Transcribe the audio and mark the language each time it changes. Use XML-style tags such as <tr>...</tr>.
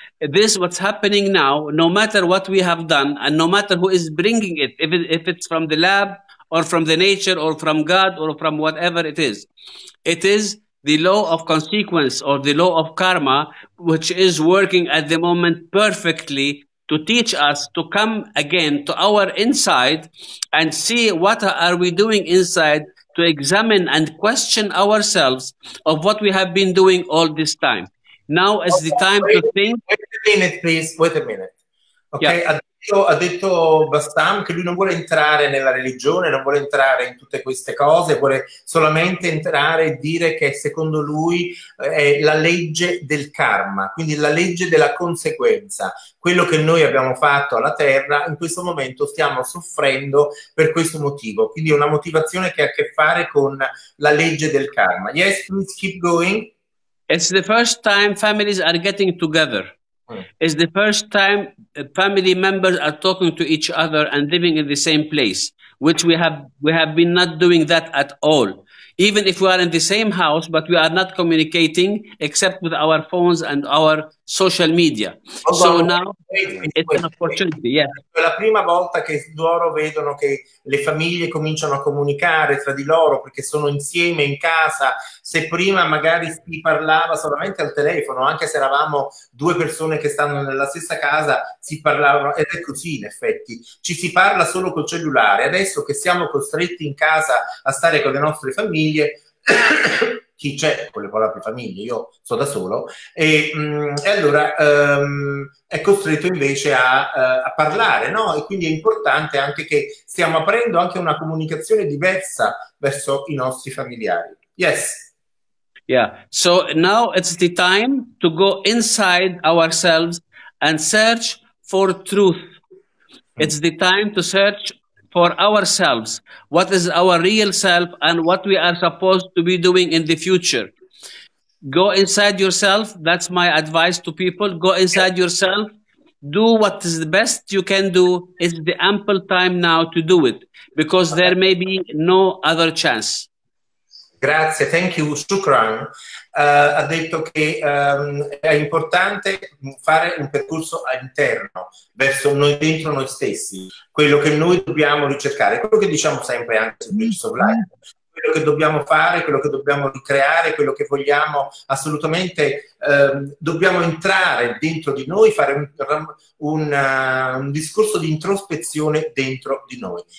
<en>This, what's happening now, no matter what we have done and no matter who is bringing it, if it's from the lab or from the nature or from God or from whatever it is the law of consequence or the law of karma, which is working at the moment perfectly to teach us to come again to our inside and see what are we doing inside, to examine and question ourselves of what we have been doing all this time. Now is the time to think. Wait a minute, please. Wait a minute. Okay. Yeah.</en> <it>Ha detto Bassam che lui non vuole entrare nella religione, non vuole entrare in tutte queste cose, vuole solamente entrare e dire che secondo lui è la legge del karma, quindi la legge della conseguenza. Quello che noi abbiamo fatto alla Terra, in questo momento stiamo soffrendo per questo motivo. Quindi è una motivazione che ha a che fare con la legge del karma.</it> <en>Yes, please keep going. It's the first time families are getting together. It's the first time family members are talking to each other and living in the same place, which we have been not doing that at all. Even if we are in the same house, but we are not communicating except with our phones and our social media. Now it's an opportunity. Yes.</en> <it>È la prima volta che loro vedono che le famiglie cominciano a comunicare tra di loro perché sono insieme in casa. Se prima magari si parlava solamente al telefono, anche se eravamo due persone che stanno nella stessa casa, si parlavano, ed è così in effetti, ci si parla solo col cellulare. Adesso che siamo costretti in casa a stare con le nostre famiglie, chi c'è con le proprie famiglie, io sono da solo, e allora è costretto invece a parlare, no? E quindi è importante anche che stiamo aprendo anche una comunicazione diversa verso i nostri familiari.</it> <en>Yes. Yeah, so now it's the time to go inside ourselves and search for truth. It's the time to search for ourselves, what is our real self and what we are supposed to be doing in the future. Go inside yourself. That's my advice to people. Go inside yourself. Do what is the best you can do. It's the ample time now to do it because there may be no other chance. Grazie, thank you,</en> <ar>Shukran.</ar> <it>Ha detto che è importante fare un percorso interno, verso noi dentro noi stessi, quello che noi dobbiamo ricercare, quello che diciamo sempre anche su Sublime, quello che dobbiamo fare, quello che dobbiamo ricreare, quello che vogliamo assolutamente, dobbiamo entrare dentro di noi, fare un discorso di introspezione dentro di noi.</it>